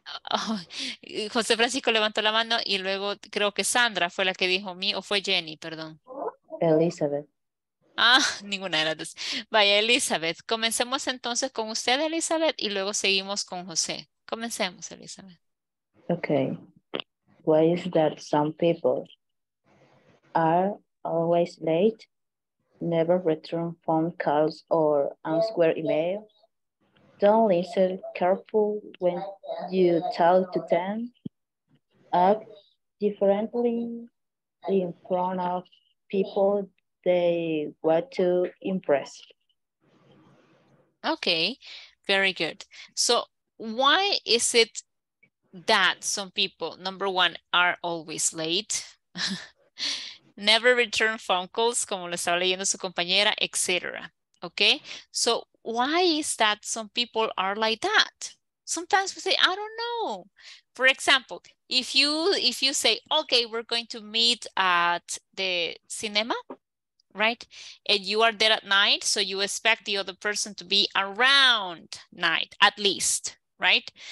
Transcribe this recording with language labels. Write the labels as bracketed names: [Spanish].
[Spanish] Oh, José Francisco levantó la mano y luego creo que Sandra fue la que dijo me o fue Jenny, perdón. Elizabeth. Ah, ninguna de las dos. Vaya, Elizabeth. Comencemos entonces con usted, Elizabeth, y luego seguimos con José. Comencemos, Elizabeth. [English] Okay. Why is that some people are always late, never return phone calls or answer emails, don't listen careful when you talk to them, act differently in front of people they want to impress? Okay, very good. So why is it that some people, number one, are always late? Never return phone calls, [Spanish] como lo estaba leyendo su compañera, etc. [English] Okay, so why is that some people are like that? Sometimes we say, I don't know. For example, if you say, okay, we're going to meet at the cinema, right? And you are there at night, so you expect the other person to be around night, at least, right?